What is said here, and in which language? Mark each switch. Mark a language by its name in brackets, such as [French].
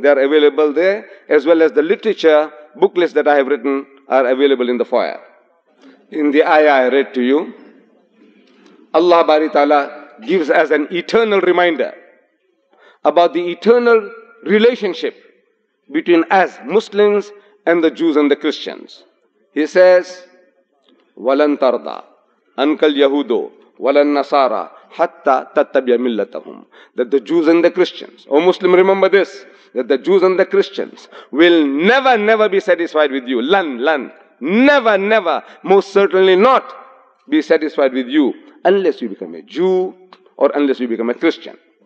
[English] They are available there. As well as the literature booklets that I have written are available in the foyer. In the ayah I read to you, Allah Bari Ta'ala gives us an eternal reminder about the eternal relationship between us Muslims and the Jews and the Christians. He says, [Arabic] وَلَنْ تَرْضَى عَنْكَ الْيَهُودُ وَلَنْ نَصَارَى حَتَّى تَتَّبِعَ مِلَّتَهُمْ. [English] That the Jews and the Christians, O Muslim, remember this, that the Jews and the Christians will never, never be satisfied with you. لَنْ Never, never, most certainly not be satisfied with you unless you become a Jew or unless you become a Christian.